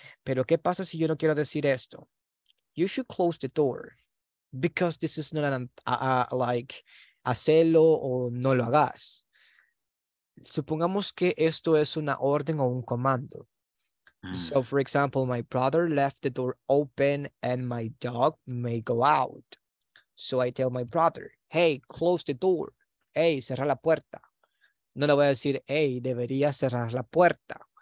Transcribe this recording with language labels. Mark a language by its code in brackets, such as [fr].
[es] Pero ¿qué pasa si yo no quiero decir esto? [en] You should close the door. Because this is not like, [es] hacerlo o no lo hagas. Supongamos que esto es una orden o un comando. [en] So, for example, my brother left the door open and my dog may go out. So I tell my brother, hey, close the door. [es] Hey, cerra la puerta. No le voy a decir, hey, debería cerrar la puerta.